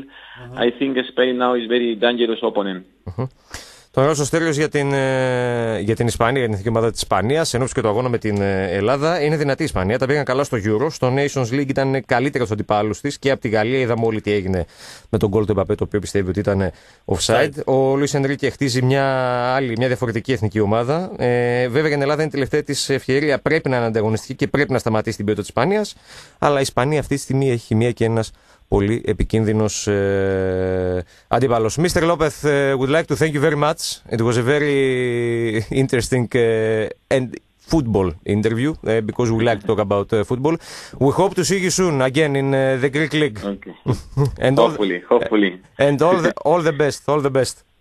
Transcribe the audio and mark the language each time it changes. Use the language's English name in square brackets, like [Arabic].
[English] Mm-hmm. I think Spain now is very dangerous opponent. [Greek] Τον ρώτησε ο Στέλιος για την Ισπανία, για την εθνική ομάδα της Ισπανίας, εν ώψη και το αγώνα με την Ελλάδα. Είναι δυνατή η Ισπανία, τα πήγαν καλά στο Euro. Στο Nations League ήταν καλύτερα στους αντιπάλους της και από τη Γαλλία είδαμε όλοι τι έγινε με τον goal του Mbappé, το οποίο πιστεύει ότι ήταν offside. Ο Λουίς Ενρίκε χτίζει μια διαφορετική εθνική ομάδα. Βέβαια για την Ελλάδα είναι η τελευταία της ευκαιρία, πρέπει να είναι ανταγωνιστική και πρέπει να σταματήσει την ποιότητα της Ισπανίας. Αλλά η Ισπανία αυτή τη στιγμή έχει μία και ένας πολύ επικίνδυνος αντίπαλος. [English] Mr. Lopez, would like to thank you very much. It was a very interesting and football interview because we like to talk about football. We hope to see you soon again in the Greek League. Okay. And hopefully. And all the best.